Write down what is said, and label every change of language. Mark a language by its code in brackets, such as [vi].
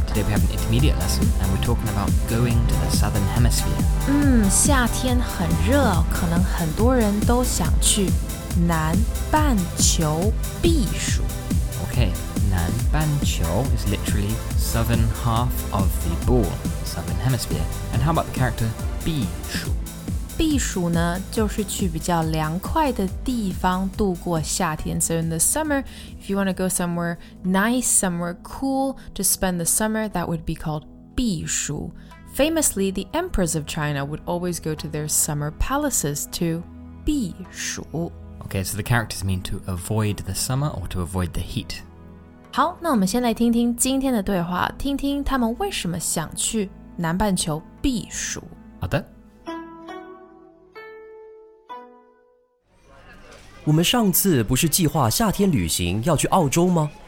[en] Today we have an intermediate lesson, and we're talking about going to the southern hemisphere. [zh] 夏天很热，可能很多人都想去南半球避暑。 [en] Okay, 南半球 is literally southern half of the ball, southern hemisphere. And how about the character 避暑？ [zh] 避暑呢，就是去比较凉快的地方度过夏天。 [en] So in the summer, if you want to go somewhere nice, somewhere cool to spend the summer, that would be called 避暑. Famously, the emperors of China would always go to their summer palaces to 避暑. Okay, so the characters mean to avoid the summer or to avoid the heat. [zh] 好，那我们先来听听今天的对话，听听他们为什么想去南半球避暑。好的。我们上次不是计划夏天旅行要去澳洲吗？